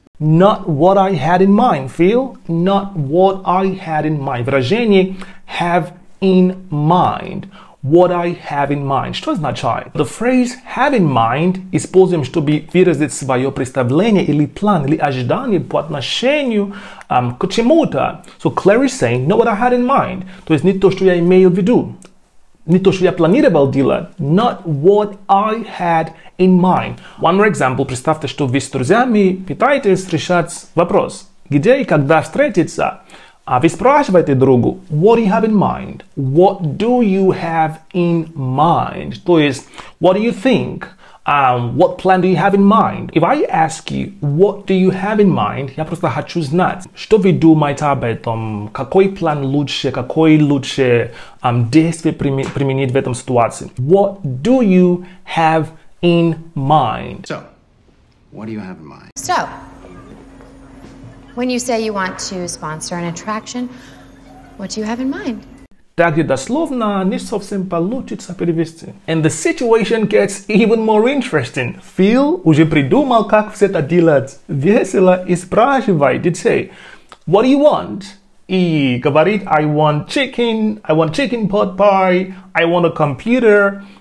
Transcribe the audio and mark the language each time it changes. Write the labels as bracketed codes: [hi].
[en] Not what I had in mind, Phil. Not what I had in mind. [ru] Выражение [en] have in mind. What I have in mind. [ru] Что означает? [en] The phrase have in mind [ru] используем, чтобы выразить свое представление или план, или ожидание по отношению к чему-то. [en] So Claire is saying, not what I had in mind. [ru] То есть не то, что я имею в виду. Не то, что я планировал делать. [en] Not what I had in mind. One more example. [ru] Представьте, что вы с друзьями пытаетесь решать вопрос. Где и когда встретиться? А вы спрашиваете другу, [en] what do you have in mind? What do you have in mind? [ru] То есть, [en] what do you think? What plan do you have in mind? If I ask you, what do you have in mind? [ru] Я просто хочу знать, что вы думаете об этом? Какой план лучше? Какой лучше действие применить в этом ситуации? [en] What do you have in mind? So, what do you have in mind? So, when you say you want to sponsor an attraction, what do you have in mind? [ru] Так и дословно не совсем получится перевести. [en] And the situation gets even more interesting. [ru] Phil уже придумал, как все это делать весело и спрашивает детей. [en] What do you want? [ru] И говорит, [en] I want chicken pot pie, I want a computer.